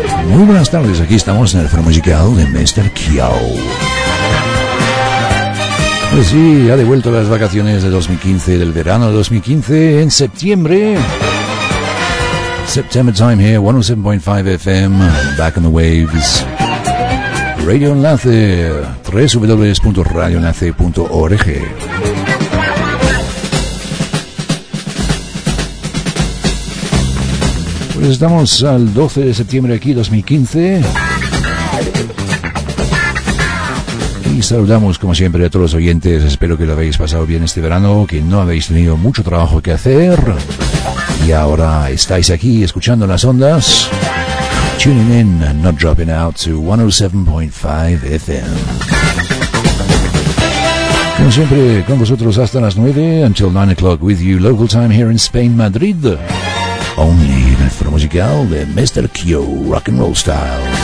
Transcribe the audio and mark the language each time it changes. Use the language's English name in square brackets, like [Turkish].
[Spanish] Muy buenas tardes, aquí estamos en el foro musical de Mr. Q. Pues sí, ha devuelto las vacaciones de 2015, del verano de 2015, en septiembre. [English] September time here, 107.5 FM, Back on the Waves. [Spanish] Radio Enlace, www.radioenlace.org. Pues estamos al 12 de septiembre aquí, 2015. Y saludamos, como siempre, a todos los oyentes. Espero que lo habéis pasado bien este verano, que no habéis tenido mucho trabajo que hacer. Y ahora estáis aquí, escuchando las ondas. [English] Tuning in and not dropping out to 107.5 FM. [Spanish] Como siempre, con vosotros hasta las 9, [English] until 9 o'clock with you, local time here in Spain, Madrid. Only in el foro musical de Mr. Q, rock and roll style.